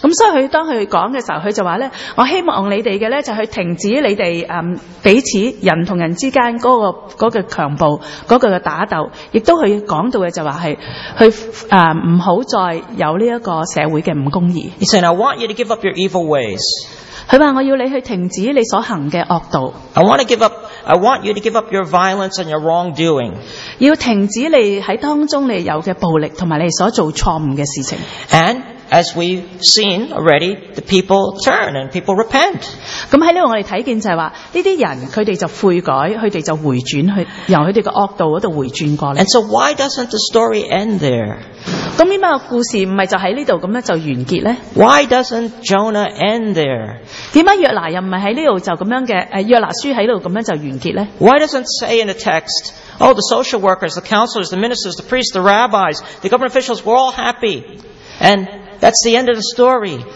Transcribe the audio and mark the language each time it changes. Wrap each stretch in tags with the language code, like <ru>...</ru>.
<yue>咁所以佢當佢講嘅時候，佢就話咧：我希望你哋嘅咧就去停止你哋彼此人同人之間嗰個強暴、嗰個嘅打鬥，亦都佢講到嘅就話係去唔好再有呢一個社會嘅唔公義。</yue> <en>He said, "I want you to give up your evil ways."</en> <yue>佢話：我要你去停止你所行嘅惡道。</yue> <en>I want to give up. I want you to give up your violence and your wrongdoing.</en> <yue>要停止你喺當中你有嘅暴力同埋你所做錯誤嘅事情。</yue> <en>And as we've seen already, the people turn and people repent.</en> <yue>咁喺呢度我哋睇見就係話，呢啲人佢哋就悔改，佢哋就回轉去由佢哋嘅惡道嗰度回轉過嚟。</yue> <en>And so why doesn't the story end there?</en> <yue>咁點解個故事唔係就喺呢度咁樣就完結咧</yue> <en>？Why doesn't Jonah end there？</en> <yue>點解約拿又唔係喺呢度就咁樣嘅？約拿書喺呢度咁樣就完結咧</yue> <en>？Why doesn't say in the text, "Oh, the social workers, the counselors, the ministers, the priests, the rabbis, the government officials were all happy, and that's the end of the story"？</en>